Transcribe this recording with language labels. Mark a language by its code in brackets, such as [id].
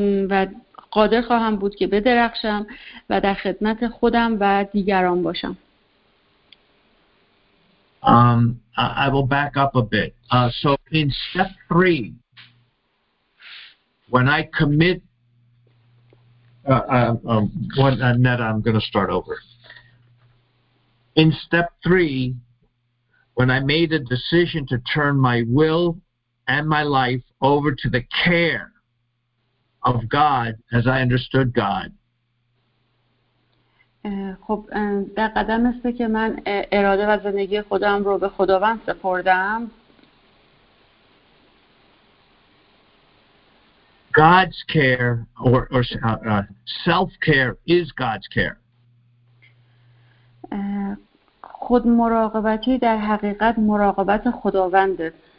[fa] و قادر خواهم بود که بدرخشم و در خدمت خودم و دیگران باشم. [en] I will back up a bit. So in step 3, when I commit I'm going to start over. In step 3, when I made a decision to turn my will and my life over to the care of God as I understood God. [fa] خب در قدم است که من اراده و زندگی خودم رو به خداوند سپردم. [en] God's care or self-care is God's care. [fa] خود مراقبتی در حقیقت مراقبت خداونده.